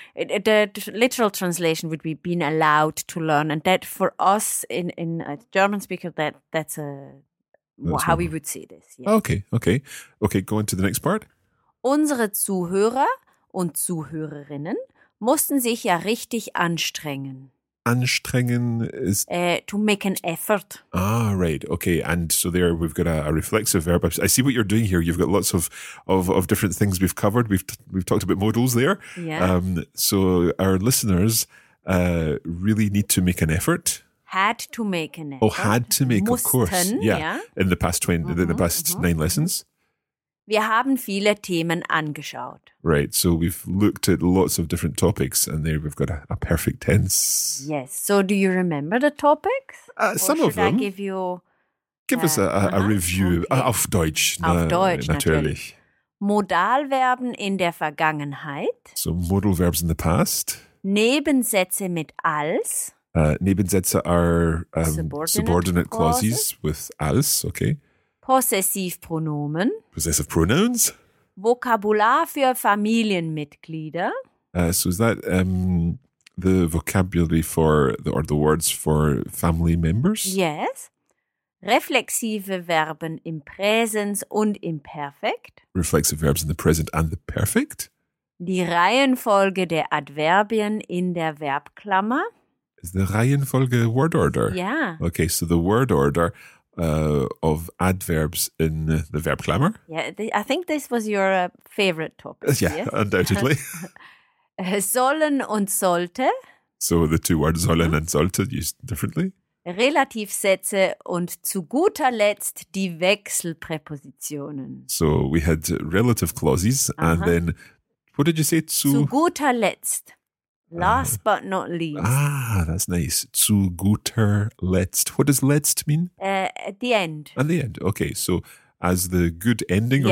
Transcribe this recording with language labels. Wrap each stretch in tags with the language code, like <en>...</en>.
<en>The literal translation would be been allowed to learn. And that for us in a German speaker, that's how we would say this. Yes. Okay, go on to the next part.</en> <de>Unsere Zuhörer und Zuhörerinnen mussten sich ja richtig anstrengen.</de> <en>Anstrengen is to make an effort. Ah, right. Okay. And so there we've got a reflexive verb. I see what you're doing here. You've got lots of different things we've covered. We've talked about modals there. Yeah. So our listeners really need to make an effort. Had to make an effort. Oh, had to make,</en> <de>mussten,</de> <en>of course. Yeah. In the past 20, mm-hmm, in the past mm-hmm. 9 lessons.</en> <de>Wir haben viele Themen angeschaut.</de> <en>Right, so we've looked at lots of different topics and there we've got a perfect tense. Yes, so do you remember the topics? Some of them. Or should I give you... Give us a review. Okay.</en> <de>Auf Deutsch. Auf Deutsch, natürlich. Modalverben in der Vergangenheit.</de> <en>So modal verbs in the past.</en> <de>Nebensätze mit als.</de> <en>Nebensätze are subordinate clauses with als, okay.</en> <de>Possessivpronomen.</de> <en>Possessive pronouns.</en> <de>Vokabular für Familienmitglieder.</de> <en>So is that the vocabulary for the words for family members? Yes.</en> <de>Reflexive Verben im Präsens und im Perfekt.</de> <en>Reflexive verbs in the present and the perfect.</en> <de>Die Reihenfolge der Adverbien in der Verbklammer.</de> <en>Is the Reihenfolge word order? Yeah. Okay, so the word order of adverbs in the verb klammer. Yeah, I think this was your favorite topic. Yeah, yes? Undoubtedly.</en> <de>Sollen und sollte.</de> <en>So the two words sollen mm-hmm. and sollte used differently.</en> <de>Relativsätze und zu guter Letzt die Wechselpräpositionen.</de> <en>So we had relative clauses uh-huh. and then, what did you say?</en> <de>Zu guter Letzt.</de> <en>Last but not least. Ah, that's nice.</en> <de>Zu guter Letzt.</de> <en>What does Letzt mean? At the end. At the end. Okay, so as the good ending or</en>